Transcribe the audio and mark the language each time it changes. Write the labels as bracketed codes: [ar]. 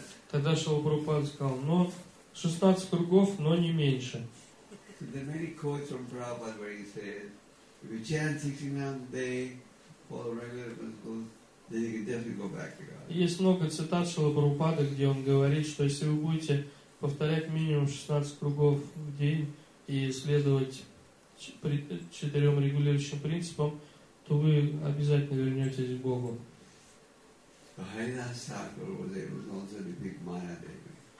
[ru] Тогда Шрила Прабхупада сказал: но 16 кругов, но не меньше. [en] There are many quotes from Prabhupada where he said, if you chant 16 rounds a day, follow regular principles, then you can definitely go back to God. [ru] Есть много цитат Шрилы Прабхупады, где он говорит, что если вы будете повторять минимум 16 кругов в день и следовать четырем регулирующим принципам, то вы обязательно вернетесь к Богу. [en] Харидас Такур was able to also defeat Maya Devi.